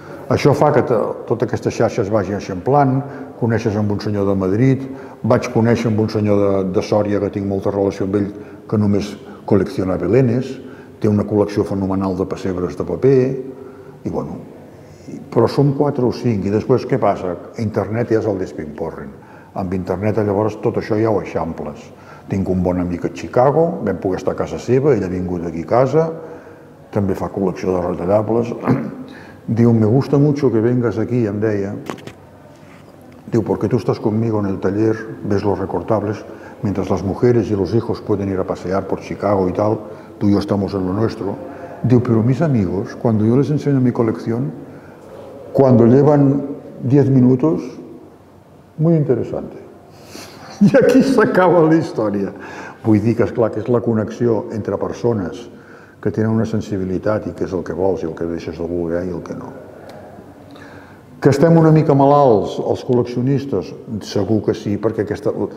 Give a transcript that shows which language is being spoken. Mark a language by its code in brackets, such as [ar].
[ca] Això fa que tota aquesta xarxa es vagi eixamplant, coneixes amb un senyor de Madrid, vaig conèixer amb un senyor de Sòria, que tinc molta relació amb ell, que només col·lecciona belenes, té una col·lecció fenomenal de pessebres de paper, i bueno, però som quatre o cinc, i després què passa? Internet ja és el despimporren. Amb internet llavors tot això ja ho eixamples. Tinc un bon amic a Chicago, vam poder estar a casa seva, ell ha vingut aquí a casa, també fa col·lecció de retallables. [es] Diu, me gusta mucho que vengas aquí, [ca] em deia. [es] Diu, porque tú estás conmigo en el taller, ves los recortables, mientras las mujeres y los hijos pueden ir a pasear por Chicago y tal, tú y yo estamos en lo nuestro. Diu, pero mis amigos, cuando yo les enseño mi colección, cuando llevan 10 minutos, muy interesante. [ca] I aquí s'acaba la història. Vull dir que, esclar, que és la connexió entre persones que tenen una sensibilitat i que és el que vols i el que deixes de voler i el que no. Que estem una mica malalts, els col·leccionistes? Segur que sí, perquè aquesta...